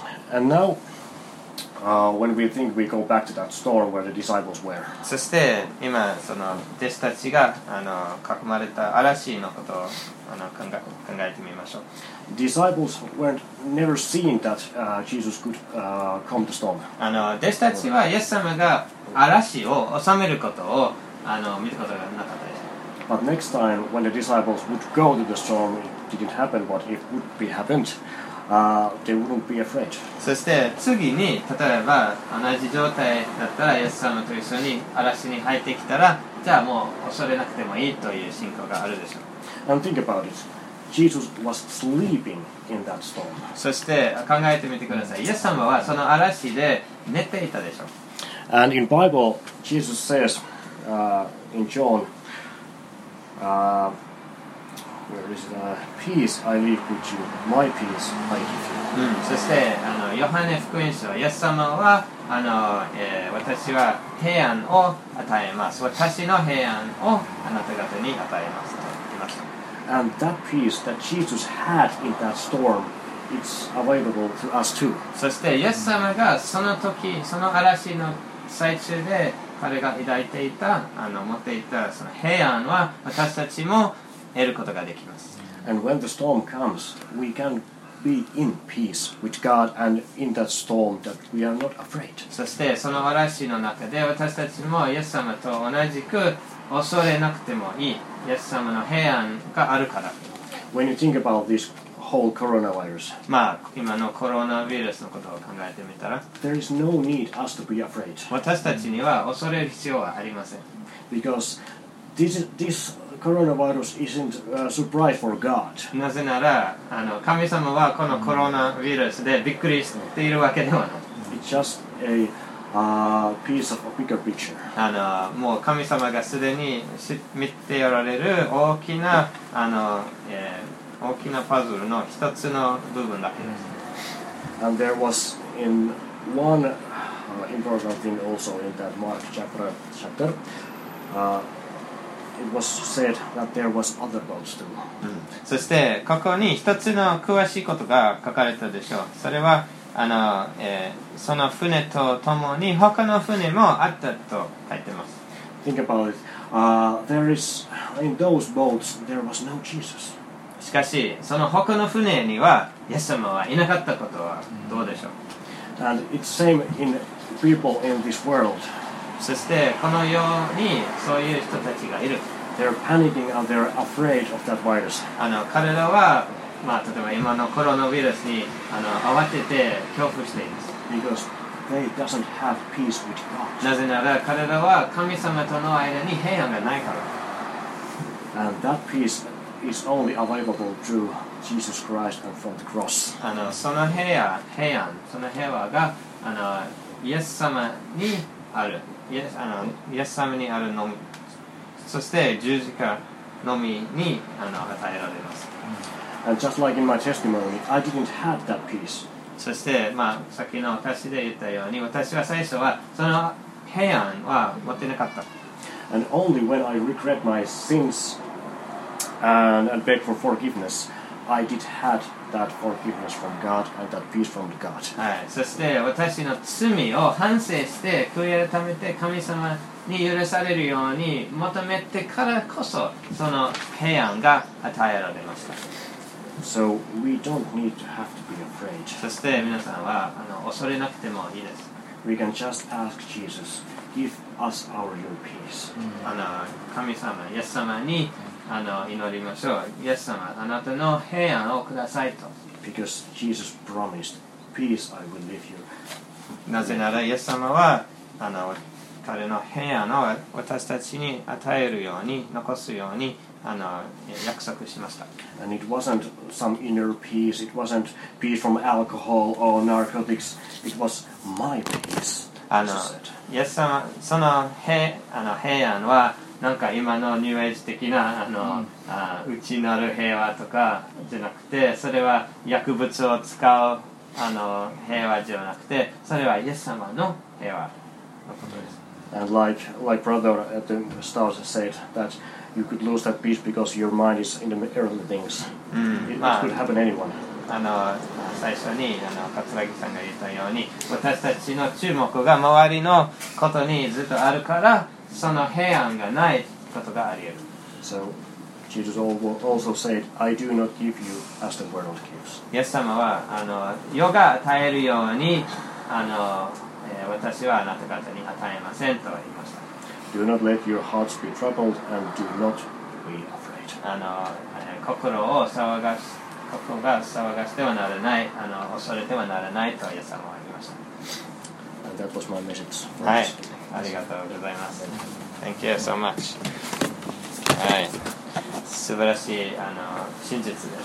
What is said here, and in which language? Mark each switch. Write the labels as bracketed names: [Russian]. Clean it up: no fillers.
[English] And now, when we think we go back to that storm where the disciples were. [Japanese] そして今その弟子たちが囲まれた嵐のことを考えてみましょう。 [English] Disciples weren't never seen that Jesus could calm the storm. [Japanese] 弟子たちはイエス様が嵐を収めることを見ることがなかったです。 [English] But next time when the disciples would go to the storm, it didn't happen. But if it would be happened, they wouldn't be afraid. [Japanese] そして次に、例えば同じ状態だったらイエス様と一緒に嵐に入ってきたら、じゃあもう恐れなくてもいいという信仰があるでしょう。 [English] And think about it. Jesus was sleeping in that storm. [Japanese] そして考えてみてください。イエス様はその嵐で寝ていたでしょう。 [English] And in Bible, Jesus says in John, Where is the peace I leave with you? My peace I give you.、 [Japanese] うん、そしてあのヨハネ福音書、イエス様はあの、私は平安を与えます。私の平安をあなた方に与えますと言いました。 [English] And that peace that Jesus had in that storm, it's available to us too. [Japanese] そしてイエス様がその時、その嵐の最中で彼が抱いていた、あの持っていたその平安は私たちも得ることができます。 [English] And when the storm comes, we can be in peace with God and in that storm that we are not afraid. [Japanese] そしてその嵐の中で私たちもイエス様と同じく恐れなくてもいい。イエス様の平安があるから。 [English] When you think about this whole coronavirus, [Japanese] まあ今のコロナウイルスのことを考えてみたら、 [English] there is no need us to be afraid. [Japanese] 私たちには恐れる必要はありません。 [English] Because this coronavirus isn't a surprise for God. [Japanese] なぜならあの神様はこのコロナウイルスでびっくりしているわけではない。 [English] It's just a piece of a bigger picture. [Japanese] あのもう神様がすでに見ておられる大きなあの、大きなパズルの一つの部分だけです。 [English] And there was in one important thing also in that Mark chapter. It was said that there was other boats too. [Japanese] そしてここに一つの詳しいことが書かれたでしょう。それはあの、その船とともに他の船もあったと書いてます。 [English] Think about it. There is in those boats there was no Jesus. [Japanese] しかしその他の船にはイエス様はいなかったことはどうでしょう。 [English] And it's same in people in this world. [Japanese] そしてこの世にそういう人たちがいる。 [English] They're panicking and they're afraid of that virus. [Japanese] あの彼らは、まあ、例えば今のコロナウイルスにあの慌てて恐怖しています。 [English] Because they doesn't have peace with God. [Japanese] なぜなら彼らは神様との間に平安がないから。 [English] And that peaceIs only available through Jesus Christ and from the cross. [Japanese] あのその平安、その平和があのイエス様にある、イエス様にあるのみ、そして十字架のみにあの与えられます。 [English] And just like in my testimony, I didn't have that peace. [Japanese] そして、まあ、さっきの私で言ったように、私は最初はその平安は持ってなかった。 [English] And only when I regret my sins. And beg for forgiveness. I did have that forgiveness from God and that peace from God. [Japanese] はい。そして私の罪を反省して悔い改めて神様に許されるように求めてからこそその平安が与えられました。 [English] So we don't need to have to be afraid. [Japanese] そして皆さんはあの恐れなくてもいいです。 [English] We can just ask Jesus, give us our your peace.、 [Japanese] Mm-hmm. あの神様、イエス様に。あの祈りましょう。イエス様、あなたの平安をくださいと。 [English] Because Jesus promised, peace I will leave you. [Japanese] なぜならイエス様はあの彼の平安を私たちに与えるように残すようにあの約束しました。 [English] And it wasn't some inner peace. It wasn't peace from alcohol or narcotics. It was my peace. Jesus said. [Japanese] イエス様、その平安は。なんか今のニューエイジ的なあの、うん、あ内なる平和とかじゃなくて、それは薬物を使うあの平和じゃなくて、それはイエス様の平和のことです。 [English] And like brother at the start said that you could lose that peace because your mind is in the earthly things.、 [Japanese] うん、まあ、 [English] it could happen to anyone. [Japanese] あの最初にあの桂木さんが言ったように、私たちの注目が周りのことにずっとあるから。その平安がないことがあり得る。 [English] So Jesus also said, I do not give you as the world gives. [Japanese] イエス様はあの世が与えるようにあの、私はあなた方に与えませんと言いました。 [English] Do not let your hearts be troubled and do not be afraid. [Japanese] あの心が騒がしてはならない、あの恐れてはならないとイエス様は言いました。 [English] And that was my message. [Japanese] はい、ありがとうございます。 [English] Thank you so much. [Japanese] はい、素晴らしいあの真実です。